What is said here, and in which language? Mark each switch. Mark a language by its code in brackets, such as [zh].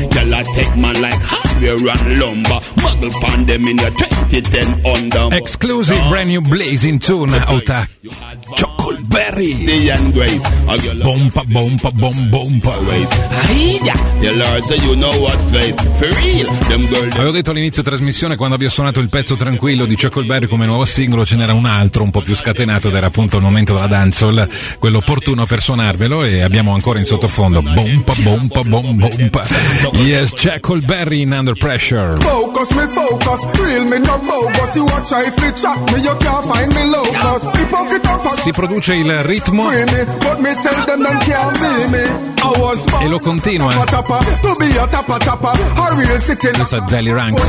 [en] Girl a take man like hardware and lumber. Muggle pandem in your 2010 under. Exclusive brand new blazing tune out of Chuckleberry. The young grace. Bumpa, bumpa, bum, bumpa. The Lord say you know what face. For real. [it] Avevo detto all'inizio trasmissione, quando vi ho suonato il pezzo tranquillo di Chuckleberry come nuovo singolo, ce n'era un altro un po' più scatenato ed era appunto il momento della dancehall, quello opportuno per suonarvelo, e abbiamo ancora in sottofondo bompa bompa bom bompa. [en] Yes, Chuckleberry in Under Pressure. Focus me focus, real me no bogus. You watch I free chat me, you can't find me locus. [it] Si produce il ritmo e lo continua. [en] This is Daily Ranks.